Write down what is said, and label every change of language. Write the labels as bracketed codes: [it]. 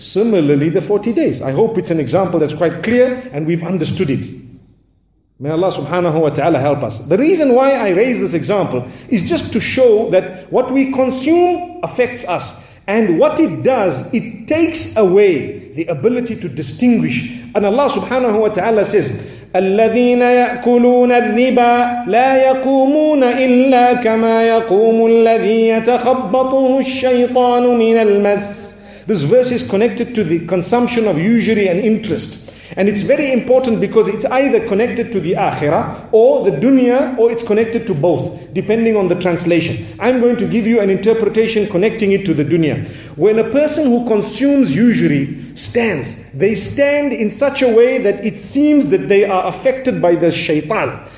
[en] Similarly, the 40 days. I hope it's an example that's quite clear and we've understood it. May Allah subhanahu wa ta'ala help us. The reason why I raise this example is just to show that what we consume affects us. And what it does, it takes away the ability to distinguish. And Allah subhanahu wa ta'ala says, [ar] الَّذِينَ يَأْكُلُونَ الرِّبَا لَا يَقُومُونَ إِلَّا كَمَا يَقُومُ الَّذِي يَتَخَبَّطُهُ الشَّيْطَانُ مِنَ الْمَسِّ. [en] This verse is connected to the consumption of usury and interest. And it's very important because it's either connected to the akhirah or the dunya, or it's connected to both, depending on the translation. I'm going to give you an interpretation connecting it to the dunya. When a person who consumes usury stands, they stand in such a way that it seems that they are affected by the shaitan.